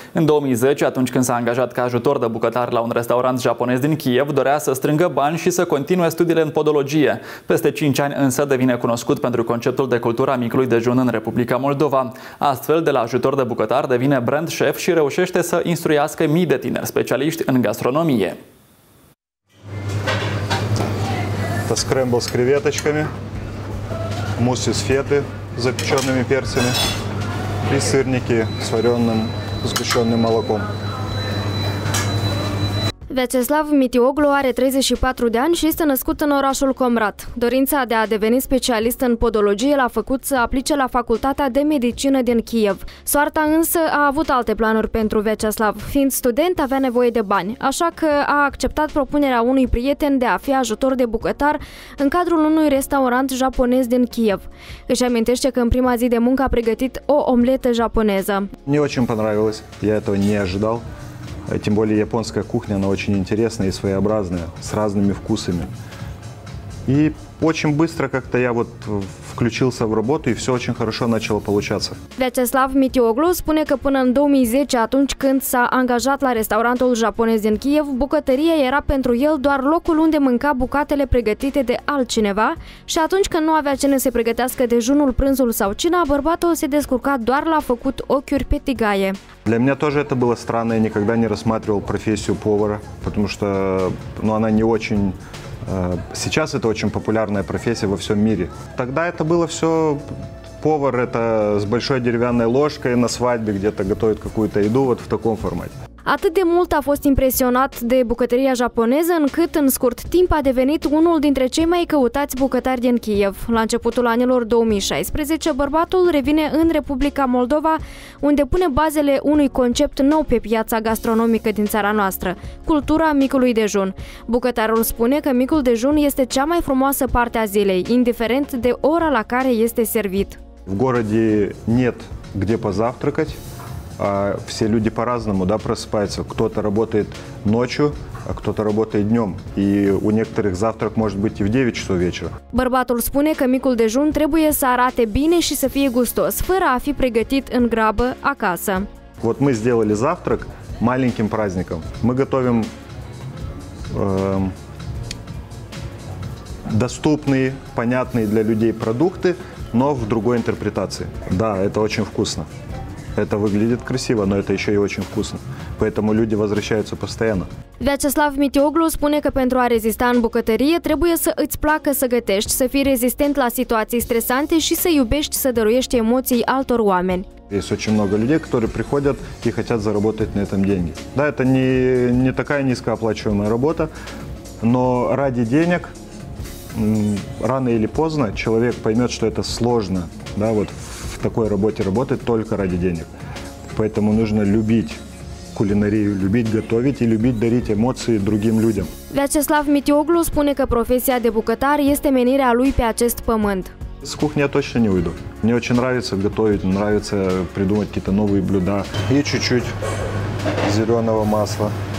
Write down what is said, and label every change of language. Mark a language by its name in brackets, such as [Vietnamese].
[Romanian] În 2010, atunci când s-a angajat ca ajutor de bucătar la un restaurant japonez din Kiev, dorea să strângă bani și să continue studiile în podologie. Peste 5 ani însă devine cunoscut pentru conceptul de cultura micului dejun în Republica Moldova. Astfel, de la ajutor de bucătar devine brand chef și reușește să instruiască mii de tineri specialiști în gastronomie. [Russian] Это скрэмбл с креветочками, мусси с феты с запеченными перцами и сырники с вареным сгущенным молоком. [Romanian] Vyacheslav Mitioglo are 34 de ani și este născut în orașul Comrat. Dorința de a deveni specialist în podologie l-a făcut să aplice la Facultatea de Medicină din Kiev. Soarta însă a avut alte planuri pentru Vyacheslav. Fiind student, avea nevoie de bani, așa că a acceptat propunerea unui prieten de a fi ajutor de bucătar în cadrul unui restaurant japonez din Kiev. Își amintește că în prima zi de muncă a pregătit o omletă japoneză. [Russian] Не очень понравилось. Я этого не ожидал. Тем более японская кухня, она очень интересная и своеобразная, с разными вкусами. И очень быстро как-то я вот включился в работу, и все очень хорошо начало получаться. [Romanian] Vyacheslav Mitioglo spune că până în 2010, atunci când s-a angajat la restaurantul japonez din Kiev, bucătăria era pentru el doar locul unde mânca bucatele pregătite de altcineva și atunci când nu avea cine să pregătească dejunul, prânzul sau cina, bărbatul se descurca doar la făcut ochiuri pe tigaie. [Russian] Для меня тоже это было странно, я никогда не рассматривал профессию повара, потому что, ну, она не очень... Сейчас это очень популярная профессия во всем мире. Тогда это было все... Повар – это с большой деревянной ложкой на свадьбе где-то готовит какую-то еду вот в таком формате. [Romanian] Atât de mult a fost impresionat de bucătăria japoneză, încât în scurt timp a devenit unul dintre cei mai căutați bucătari din Kiev. La începutul anilor 2016, bărbatul revine în Republica Moldova, unde pune bazele unui concept nou pe piața gastronomică din țara noastră, cultura micului dejun. Bucătarul spune că micul dejun este cea mai frumoasă parte a zilei, indiferent de ora la care este servit. [Russian] В городе нет где позавтракать, а все люди по-разному, да, просыпаются. Кто-то работает ночью, а кто-то работает днем. И у некоторых завтрак может быть и в 9 часов вечера. [Romanian] Бărbatul spune că micul dejun trebuie să arate bine și să fie gustos, fără a fi pregătit în grabă acasă. [Russian] Вот мы сделали завтрак маленьким праздником. Мы готовим доступные, понятные для людей продукты, но в другой интерпретации. Да, это очень вкусно. Это выглядит красиво, но это еще и очень вкусно. Поэтому люди возвращаются постоянно. [Romanian] Vyacheslav Mitioglu spune că pentru a rezista în bucătărie trebuie să îți placă să gătești, să fii rezistent la situații stresante și să iubești să dăruiești emoții altor oameni. [Russian] Есть очень много людей, которые приходят и хотят заработать на этом деньги. Да, это не такая низкооплачиваемая работа, но ради денег рано или поздно человек поймет, что это сложно, да, вот в такой работе работать только ради денег. Поэтому нужно любить кулинарию, любить готовить и любить дарить эмоции другим людям. [Romanian] Vyacheslav Mitioglu spune că profesia de bucătar este menirea lui pe acest pământ. [Russian] С кухни я точно не уйду. Мне очень нравится готовить, нравится придумать какие-то новые блюда. И чуть-чуть зеленого масла.